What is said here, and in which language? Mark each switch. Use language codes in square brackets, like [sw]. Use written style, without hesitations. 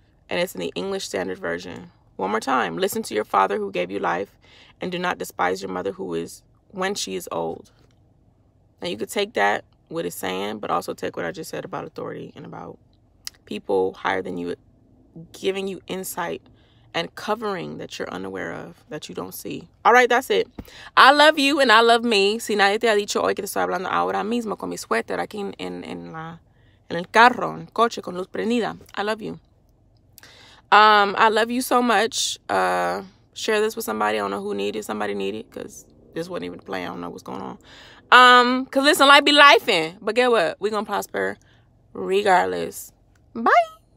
[en] And it's in the English Standard Version. One more time. Listen to your father who gave you life, and do not despise your mother who is when she is old. Now you could take that, what it's saying, but also take what I just said about authority and about people higher than you giving you insight and covering that you're unaware of, that you don't see. All right, that's it. I love you and I love me. [es] Si nadie te ha dicho hoy que te estoy hablando ahora mismo con mi suéter aquí en el carro, en el coche con luz prendida. [en] I love you. I love you so much. Share this with somebody. I don't know who needed. Somebody needed because this wasn't even a plan. I don't know what's going on. Because listen, life be life in. But get what? We're going to prosper regardless. Bye.